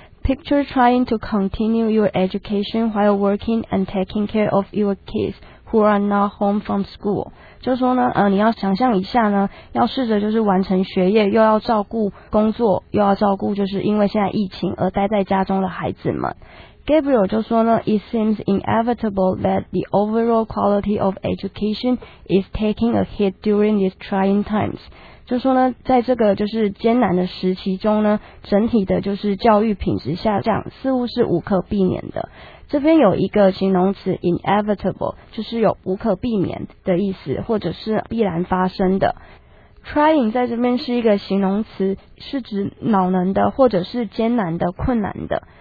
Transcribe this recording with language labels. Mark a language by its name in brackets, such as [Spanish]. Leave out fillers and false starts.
[English] Picture trying to continue your education while working and taking care of your kids who are not home from school. [Chinese] 就说呢，你要想象一下呢，要试着就是完成学业，又要照顾工作，又要照顾就是因为现在疫情而待在家中的孩子们。 [English] Gabriel [Chinese] 就说呢 [English] ，It seems inevitable that the overall quality of education is taking a hit during these trying times. [Chinese] 就说呢，在这个就是艰难的时期中呢，整体的就是教育品质下降，似乎是无可避免的。这边有一个形容词 inevitable， 就是有无可避免的意思，或者是必然发生的。 Trying 在这边是一个形容词，是指恼人的或者是艰难的、困难的。